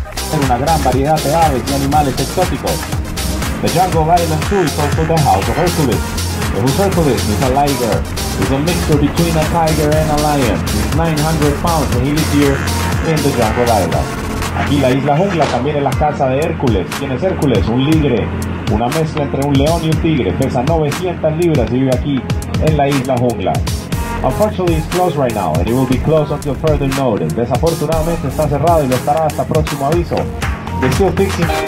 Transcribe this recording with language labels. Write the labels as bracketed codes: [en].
[es] con una gran variedad de aves y animales exóticos. [en] The jungle island zoo is also the house of Hercules. The Hercules is a liger. It's a mixture between a tiger and a lion. He's 900 pounds and he lives here in the jungle island. [es] Aquí la isla jungla también es la casa de Hércules. ¿Quién es Hércules? Un ligre. Una mezcla entre un león y un tigre. Pesa 900 libras y vive aquí en la isla jungla. [en] Unfortunately, it's closed right now, and it will be closed until further notice. [es] Desafortunadamente, está cerrado y lo estará hasta próximo aviso. [en] They're still fixing...